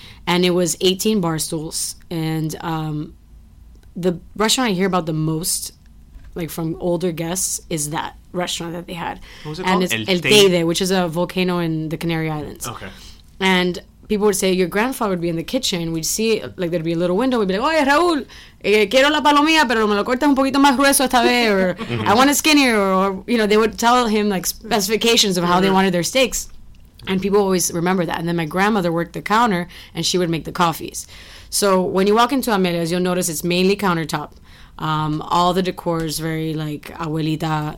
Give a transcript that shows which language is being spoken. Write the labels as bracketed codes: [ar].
[en] And it was 18 bar stools. And the restaurant I hear about the most, like from older guests, is that restaurant that they had. What was it called? It's El Teide, which is a volcano in the Canary Islands. Okay. And people would say, your grandfather would be in the kitchen. We'd see, like, there'd be a little window. [es] We'd be like, oye, Raúl, quiero la palomilla, pero me lo cortas un poquito más grueso esta vez. [en] Or, I want it skinnier. Or, you know, they would tell him, like, specifications of how they wanted their steaks. And people always remember that. And then my grandmother worked the counter, and she would make the coffees. So when you walk into Amelia's, you'll notice it's mainly countertop. All the decor is very, like, abuelita.